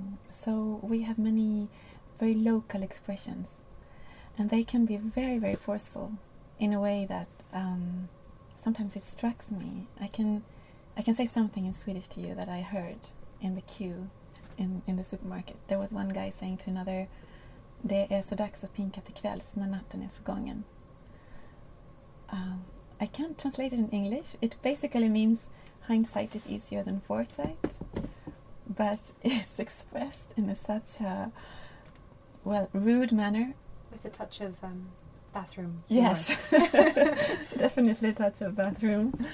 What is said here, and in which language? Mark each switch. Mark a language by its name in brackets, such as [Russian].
[English] So we have many very local expressions, and they can be very, very forceful in a way that sometimes it strikes me. I can say something in Swedish to you that I heard in the queue in the supermarket. There was one guy saying to another, [Swedish] "Det är så dags att pinka till kvälls när natten är förgången." [English] I can't translate it in English. It basically means hindsight is easier than foresight, but it's expressed in such a rude manner. With a touch of bathroom. Yes, definitely a touch of bathroom.